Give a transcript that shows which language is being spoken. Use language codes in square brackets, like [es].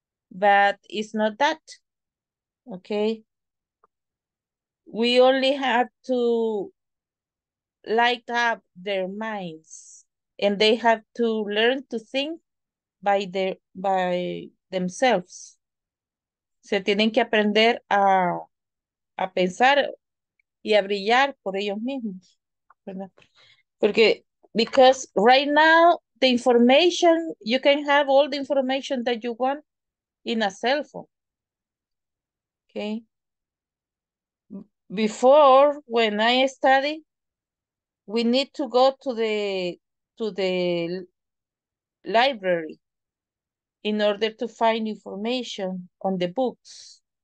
[en] But it's not that, okay? We only have to light up their minds, and they have to learn to think by themselves. [es] Se tienen que aprender a pensar y a brillar por ellos mismos, ¿verdad? [en] Porque, because right now, the information, you can have all the information that you want in a cell phone. Okay. Before, when I study, we need to go to the library in order to find information on the books.